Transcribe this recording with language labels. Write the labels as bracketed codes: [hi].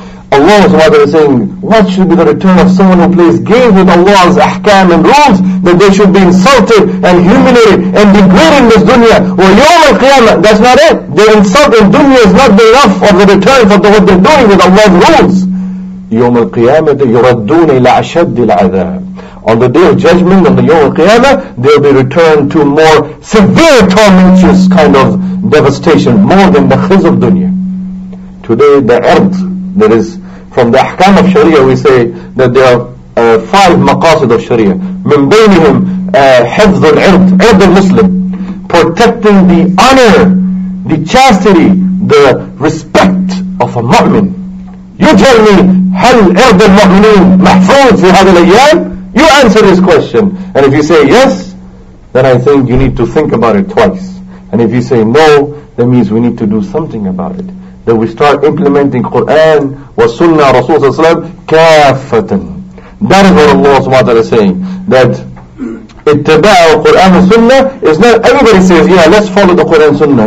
[en] Allah subhanahu wa ta'ala is saying, what should be the return of someone who plays games with Allah's ahkam and rules, that they should be insulted and humiliated and degraded in this dunya? Well, yawm al-qiyamah, that's not it. Their insult in dunya is not enough of the return for what they're doing with Allah's rules. [ar] يوم القيامة يردون إلى أشد العذاب. [en] On the day of judgment, on the Yom Al-Qiyamah, they will be returned to more severe, tormentous kind of devastation, more than the khiz of dunya. Today, the earth, there is, from the ahkam of Sharia, we say that there are five maqasid of Sharia. [ar] من بينهم حفظ العرض, عرض المسلم, [en] protecting the honor, the chastity, the respect of a mu'min. You tell me, [ar] هل عرض المؤمنين محفوظ في هذه الأيام? [en] You answer this question. And if you say yes, then I think you need to think about it twice. And if you say no, that means we need to do something about it. That we start implementing Quran wa Sunnah Rasul Sallallahu Alaihi Wasallam kafatan. That is what Allah Subhanahu wa Ta'ala is saying. That ittiba' al-Quran wa Sunnah is not, everybody says, yeah, let's follow the Quran Sunnah.